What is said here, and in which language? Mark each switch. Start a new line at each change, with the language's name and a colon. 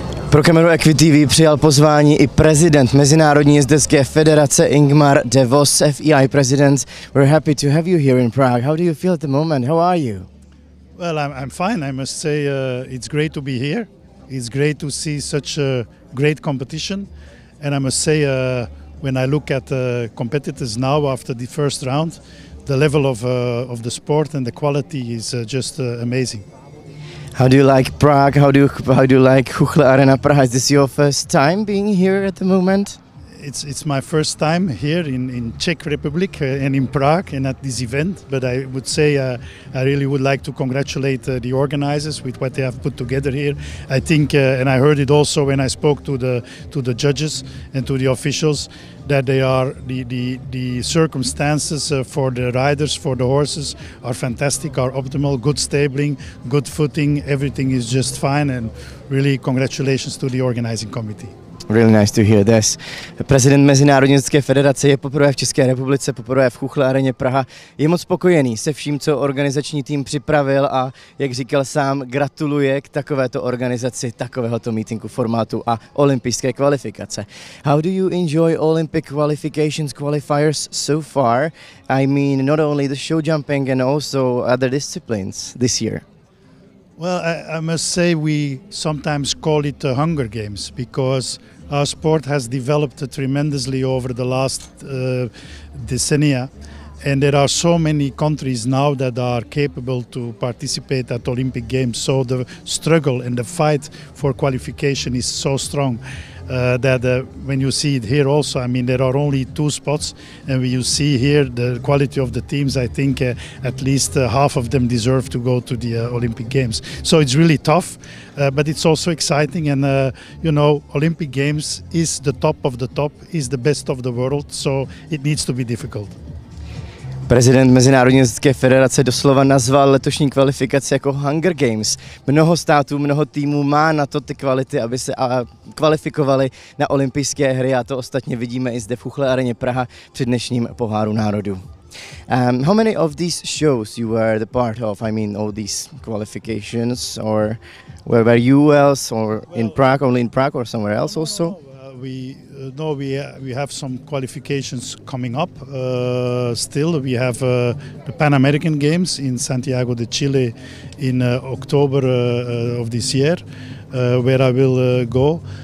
Czech: Pro kameru Equity TV přijal pozvání I prezident Mezinárodní jezdecké federace Ingmar De Vos,
English: FEI president. We're happy to have you here in Prague. How do you feel at the moment? How are you? Well, I'm fine. I must say it's great to be here. It's great to see such a great competition. And I must say, when I look at the competitors now after the first round, the level of the sport and the quality is just amazing. How do you like Prague? How do you like Chuchle Arena Praha? Is this your first time being here at the moment? It's my first time here in Czech Republic and in Prague and at this event. But I would say I really would like to congratulate the organizers with what they have put together here. I think, and I heard it also when I spoke to the judges and to the officials, that they are the circumstances for the riders, for the horses, are fantastic, are optimal, good stabling, good footing. Everything is just fine, and really congratulations to the organizing committee. Really nice to hear this.
Czech: Prezident Mezinárodní jezdecké federace je poprvé v České republice, poprvé v Chuchle Areně Praha. Je moc spokojený se vším, co organizační tým připravil a, jak říkal sám, gratuluje k takovéto organizaci, takovéhoto meetingu formátu a olympijské kvalifikace.
English: How do you enjoy Olympic qualifications qualifiers so far? I mean, not only the show jumping and also other disciplines this year. Well, I must say we sometimes call it the Hunger Games because our sport has developed tremendously over the last decennia, and there are so many countries now that are capable to participate at Olympic Games. So the struggle and the fight for qualification is so strong that when you see it here also, I mean, there are only two spots, and when you see here the quality of the teams, I think at least half of them deserve to go to the Olympic Games. So it's really tough, but it's also exciting, and you know, Olympic Games is the top of the top, is the best of the world, so it needs to be difficult.
Czech: Prezident Mezinárodní jezdecké federace doslova nazval letošní kvalifikaci jako Hunger Games. Mnoho států, mnoho týmů má na to ty kvality, aby se kvalifikovali na olympijské hry, a to ostatně vidíme I zde v Chuchle Areně Praha při dnešním poháru národů.
English: How many of these shows you were the part of? I mean, all these qualifications, or were you else, or well, in Prague, only in Prague, or somewhere else also? We have some qualifications coming up. Still, we have the Pan American Games in Santiago de Chile in October of this year, where I will go.